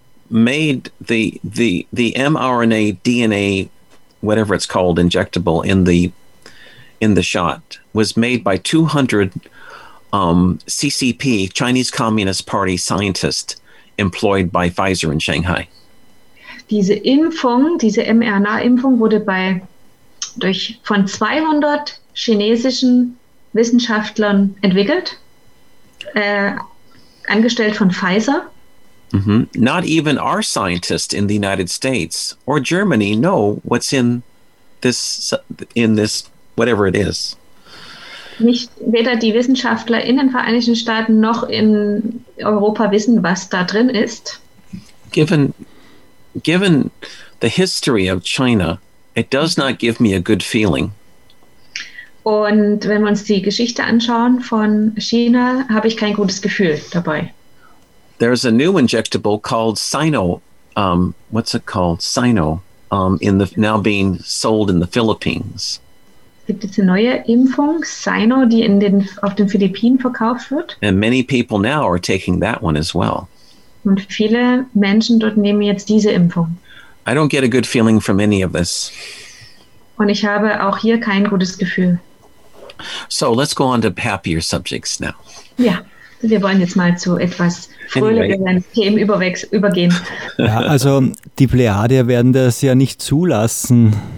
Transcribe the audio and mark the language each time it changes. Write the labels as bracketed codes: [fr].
[en] Made the mRNA DNA whatever it's called injectable in the shot was made by 200 CCP Chinese Communist Party scientists employed by Pfizer in Shanghai. [de] Diese Impfung, diese mRNA-Impfung wurde bei durch von 200 chinesischen Wissenschaftlern entwickelt, angestellt von Pfizer. Mm-hmm. [en] Not even our scientists in the United States or Germany know what's in this whatever it is. [de] Nicht weder die Wissenschaftler in den Vereinigten Staaten noch in Europa wissen, was da drin ist. [en] Given the history of China, it does not give me a good feeling. [de] Und wenn wir uns die Geschichte anschauen von China, habe ich kein gutes Gefühl dabei. [en] There's a new injectable called Sino. What's it called? Sino. Now being sold in the Philippines. [de] Gibt es eine neue Impfung, Sino, die in den auf den Philippinen verkauft wird? [en] And many people now are taking that one as well. [de] Und viele Menschen dort nehmen jetzt diese Impfung. [en] I don't get a good feeling from any of this. [de] Und ich habe auch hier kein gutes Gefühl. [en] So let's go on to happier subjects now. [de] Ja, wir wollen jetzt mal zu etwas fröhlicheren Themen übergehen. Ja, also die Plejadier werden das ja nicht zulassen.